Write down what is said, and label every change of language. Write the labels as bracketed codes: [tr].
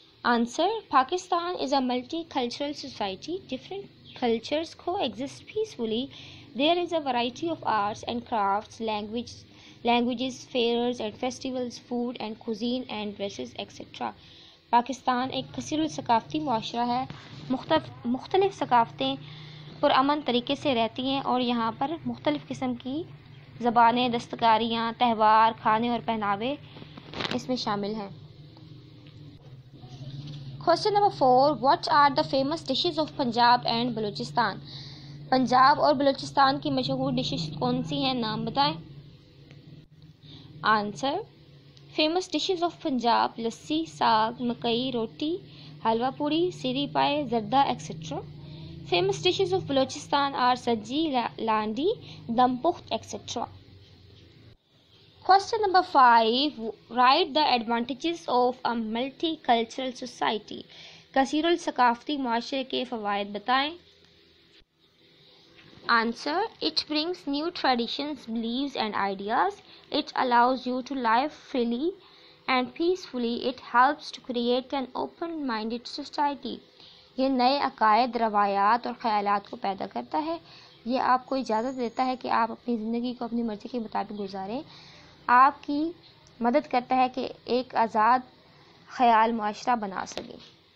[en] Answer. Pakistan is a multicultural society. Different cultures coexist peacefully. There is a variety of arts and crafts, languages, fairs and festivals, food and cuisine and dresses, etc. [ur] Pakistan ek kaseer al-saqafati muashra hai. Mukhtalif saqafatein پر امن طریقے سے رہتی ہیں اور یہاں پر مختلف قسم کی زبانیں دستکاریاں تہوار کھانے اور پہناوے اس میں شامل ہیں. [en] Question number 4. What are the famous dishes of Punjab and Balochistan? [ur] Punjab اور بلوچستان کی مشہور dishes کون سی ہیں نام بتائیں. [en] Answer. Famous dishes of Punjab: [ur] لسی ساگ مکئی روٹی حلوہ پوری سیری پائے زردہ etc. [en] Famous dishes of Balochistan are sajji, landi, dam pokht, etc. Question number 5. Write the advantages of a multicultural society. [ur] کثیر الثقافتی معاشرے کے فوائد بتائیں. [en] Answer. It brings new traditions, beliefs and ideas. It allows you to live freely and peacefully. It helps to create an open-minded society. [ur] یہ نئے عقائد، روایات اور خیالات کو پیدا کرتا ہے. یہ آپ کو اجازت دیتا ہے کہ آپ اپنی زندگی کو اپنی مرضی کے مطابق گزاریں. آپ کی مدد کرتا ہے کہ ایک آزاد خیال معاشرہ بنا سکیں.